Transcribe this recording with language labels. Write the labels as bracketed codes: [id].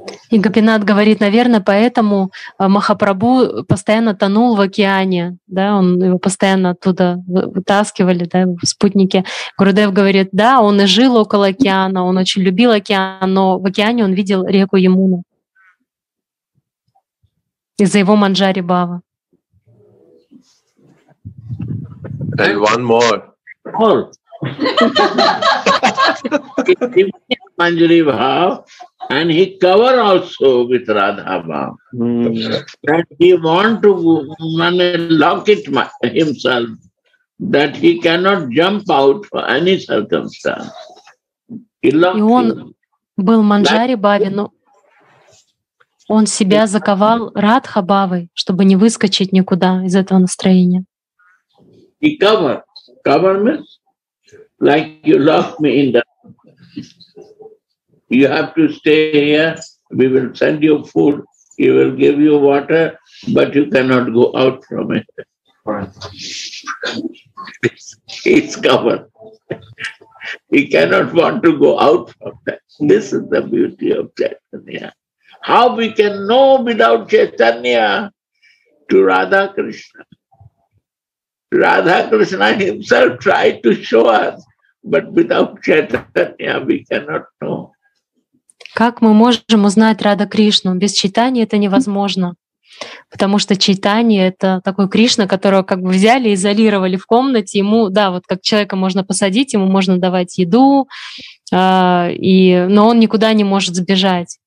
[ru] И Гопинат говорит, наверное, поэтому Махапрабху постоянно тонул в океане, да, он его постоянно оттуда вытаскивали, да, в спутнике. Гурудев говорит, да, он и жил около океана, он очень любил океан, но в океане он видел реку Ямуну из-за его манджари бава. [en] And one more. Manjari Bhav, and he cover also with Radha Bhav. Mm. And he want to lock it himself, that he cannot jump out for any circumstance. He locked him. [ru] Был Манджари Бхаве, но он себя заковал Радха Бхавой, чтобы не выскочить никуда из этого настроения. [en] He cover. Cover means like you lock me in the... You have to stay here. We will send you food. We will give you water, but you cannot go out from it. It's covered. He cannot want to go out from that. This is the beauty of Chaitanya. How we can know without Chaitanya to Radha Krishna? Radha Krishna himself tried to show us, but without Chaitanya we cannot know. [ru] Как мы можем узнать Радха Кришну? Без читания это невозможно. Потому что читание — это такой Кришна, которого как бы взяли, изолировали в комнате. Ему, да, вот как человека можно посадить, ему можно давать еду, но он никуда не может сбежать.